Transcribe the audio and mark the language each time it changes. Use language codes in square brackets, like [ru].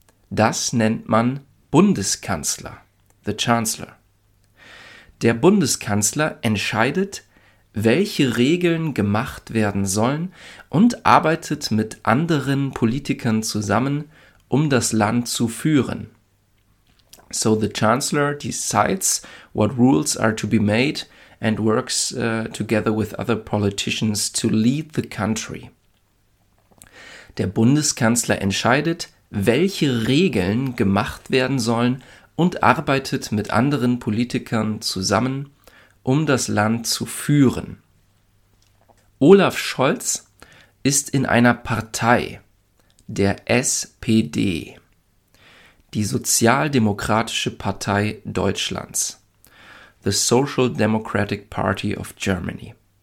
[de] Das nennt man Bundeskanzler, [en] the Chancellor. [de] Der Bundeskanzler entscheidet, welche Regeln gemacht werden sollen und arbeitet mit anderen Politikern zusammen, um das Land zu führen. [en] So the Chancellor decides what rules are to be made and works together with other politicians to lead the country. [de] Der Bundeskanzler entscheidet, welche Regeln gemacht werden sollen und arbeitet mit anderen Politikern zusammen, um das Land zu führen. Olaf Scholz ist in einer Partei, der SPD, die Sozialdemokratische Partei Deutschlands, [en] the Social Democratic Party of Germany.